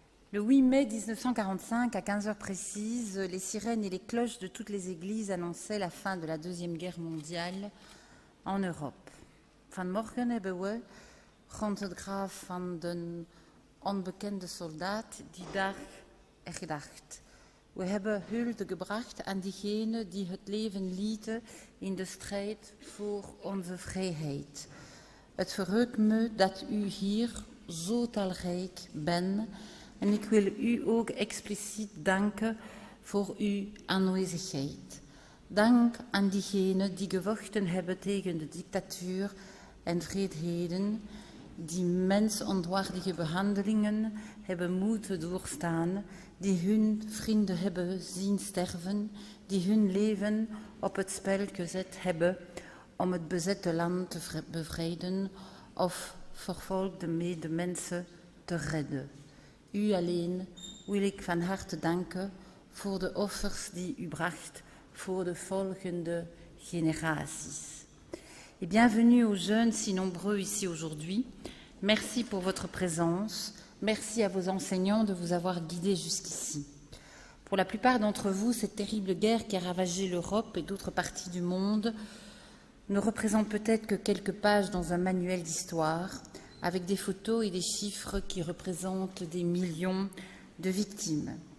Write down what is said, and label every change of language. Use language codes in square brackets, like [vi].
[fr] Le 8 mai 1945, à 15 heures précises, les sirènes et les cloches de toutes les églises annonçaient la fin de la Deuxième Guerre mondiale en Europe. [nl] Van morgen hebben we rond het graf van den onbekende soldaat die dag gedacht. We hebben hulde gebracht aan diegenen die het leven lieten in de strijd voor onze vrijheid. Het verheugt me dat u hier zo talrijk bent. En ik wil u ook expliciet danken voor uw aanwezigheid. Dank aan diegenen die gevochten hebben tegen de dictatuur en vreedheden, die mensonwaardige behandelingen hebben moeten doorstaan, die hun vrienden hebben zien sterven, die hun leven op het spel gezet hebben om het bezette land te bevrijden of vervolgde medemensen te redden. U alleen wil ik van harte danken voor de offers die u bracht voor de volgende generaties. [fr] Et bienvenue aux jeunes si nombreux ici aujourd'hui. Merci pour votre présence. Merci à vos enseignants de vous avoir guidés jusqu'ici. Pour la plupart d'entre vous, cette terrible guerre qui a ravagé l'Europe et d'autres parties du monde ne représente peut-être que quelques pages dans un manuel d'histoire, avec des photos et des chiffres qui représentent des millions de victimes.